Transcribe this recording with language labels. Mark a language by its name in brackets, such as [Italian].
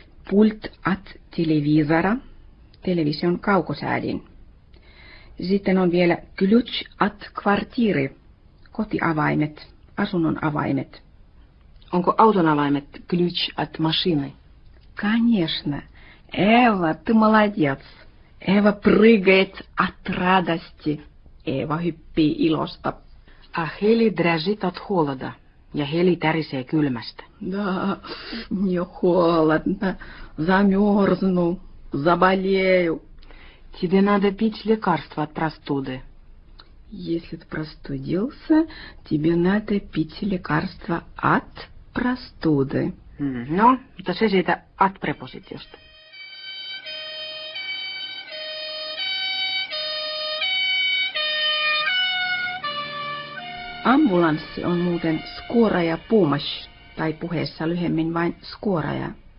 [Russian] Pult at televisora, [Finnish] television kaukosäädin. Sitten on vielä [Russian] klutsch at kvartiri, [Finnish] kotiavaimet, asunnon avaimet. Onko auton avaimet [Russian] ключ от машины? Конечно. Eva, ты молодец. Eva прыгает от радости. [Finnish] Eva hyppii ilosta. [Russian] А Heli дрожит от холода. [Finnish] Ja Heli tärisee kylmästä. [Russian] Да, мне холодно. Замерзну. Заболею. Тебе надо пить лекарство от простуды. Если ты простудился, тебе надо пить лекарство от... Простуды. [Finnish] No, mutta se siitä ad-prepositiosta. Ambulanssi on muuten [Russian] skoraja pumash, [Finnish] tai puheessa lyhemmin vain skoraja.